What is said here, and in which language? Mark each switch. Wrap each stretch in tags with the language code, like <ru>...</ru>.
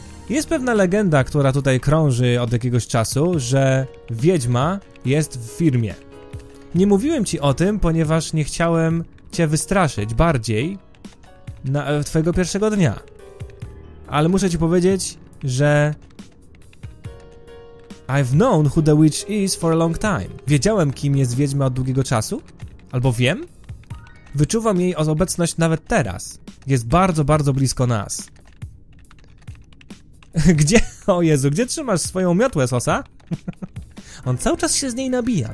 <pl>Jest pewna legenda, która tutaj krąży od jakiegoś czasu, że Wiedźma jest w firmie. Nie mówiłem ci o tym, ponieważ nie chciałem cię wystraszyć bardziej na twojego pierwszego dnia. Ale muszę ci powiedzieć, że...</pl> <en>I've known who the witch is for a long time.</en> <pl>Wiedziałem, kim jest Wiedźma od długiego czasu? Albo wiem? Wyczuwam jej obecność nawet teraz. Jest bardzo, bardzo blisko nas. Gdzie? O Jezu, gdzie trzymasz swoją miotłę, Sosa? On cały czas się z niej nabija.</pl>